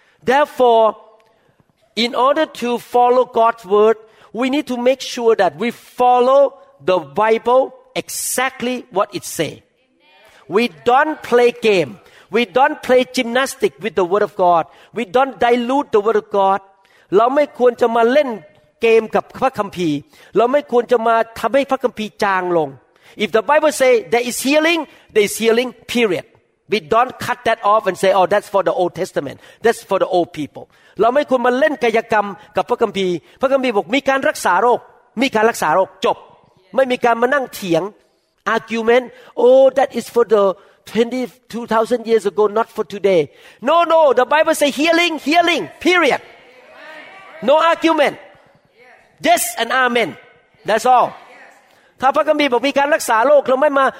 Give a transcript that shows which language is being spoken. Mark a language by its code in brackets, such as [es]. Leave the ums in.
[en] therefore in order to follow God's word we need to make sure that we follow the Bible exactly what it say we don't play game we don't play gymnastic with the word of God we don't dilute the word of God [th] เราไม่ควรจะมาเล่นเกมกับพระคัมภีร์ เราไม่ควรจะมาทำให้พระคัมภีร์จางลง [en] If the Bible say there is healing, there is healing, period. We don't cut that off and say, oh, that's for the Old Testament. That's for the old people. [th] เราไม่ควรมาเล่นกายกรรมกับพระคัมภีร์ พระคัมภีร์บอกมีการรักษาโรค มีการรักษาโรคจบ ไม่มีการมานั่งเถียง yes. [en] argument oh that is for the 22,000 years ago not for today no no the bible say healing healing period no argument yes and amen that's all [th] ถ้าพระคัมภีร์บอกมีการรักษาโรคเราไม่มา